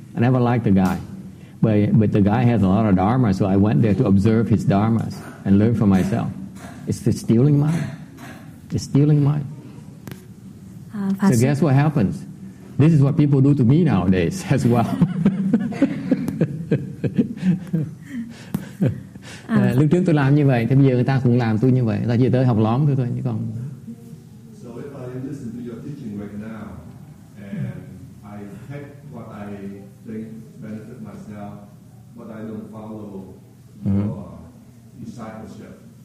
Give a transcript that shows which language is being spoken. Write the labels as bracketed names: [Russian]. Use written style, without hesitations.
[English] I never liked the guy, but the guy has a lot of dharma, so I went there to observe his dharmas and learn for myself. It's stealing mine. So guess what happens? This is what people do to me nowadays as well. [Vietnamese] Lúc trước tôi làm như vậy, thì bây giờ người ta cũng làm tôi như vậy. Người ta chỉ tới học lóm thôi, chứ còn. [English] So if I listen to your teaching right now, and I take what I think benefit myself, but I don't follow your discipleship.